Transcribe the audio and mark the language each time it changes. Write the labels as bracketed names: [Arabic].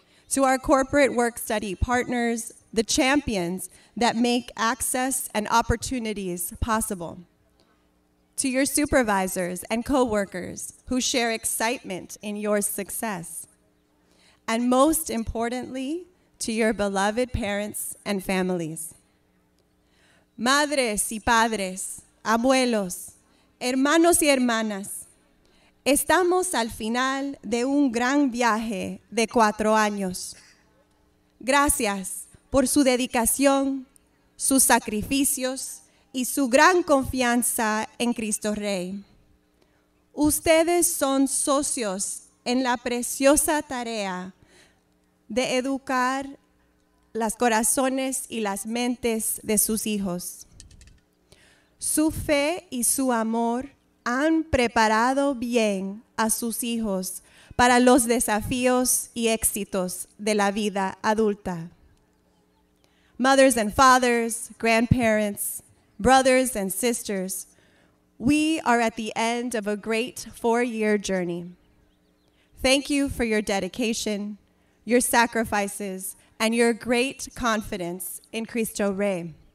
[English] To our corporate work-study partners, the champions that make access and opportunities possible. To your supervisors and coworkers who share excitement in your success. And most importantly, to your beloved parents and families. [Spanish] Madres y padres, abuelos, hermanos y hermanas, estamos al final de un gran viaje de 4 años. Gracias por su dedicación, sus sacrificios, y su gran confianza en Cristo Rey. Ustedes son socios en la preciosa tarea de educar los corazones y las mentes de sus hijos. Su fe y su amor han preparado bien a sus hijos para los desafíos y éxitos de la vida adulta. [English] Mothers and fathers, grandparents, brothers and sisters, we are at the end of a great 4-year journey. Thank you for your dedication, your sacrifices, and your great confidence in Cristo Rey.